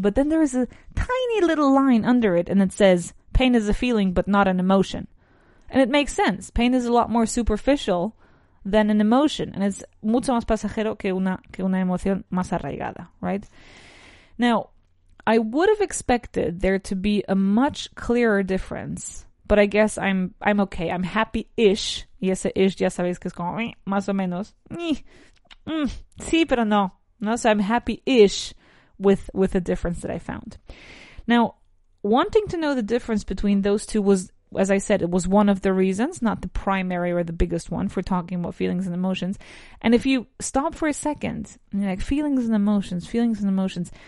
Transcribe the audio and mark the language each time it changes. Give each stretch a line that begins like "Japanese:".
English: But then there is a tiny little line under it and it says, pain is a feeling, but not an emotion. And it makes sense. Pain is a lot more superficial than an emotion. And it's
Spanish: mucho más pasajero que una emoción más arraigada,
English: right? Now, I would have expected there to be a much clearer difference. But I guess I'm okay. I'm happy-ish.
Spanish: Y ese ish ya sabéis que es como más o menos. Sí, pero no.
English: No, so I'm happy-ish with the difference that I found. Now, wanting to know the difference between those two was, as I said, it was one of the reasons, not the primary or the biggest one for talking about feelings and emotions. And if you stop for a second, you're like, feelings and emotions.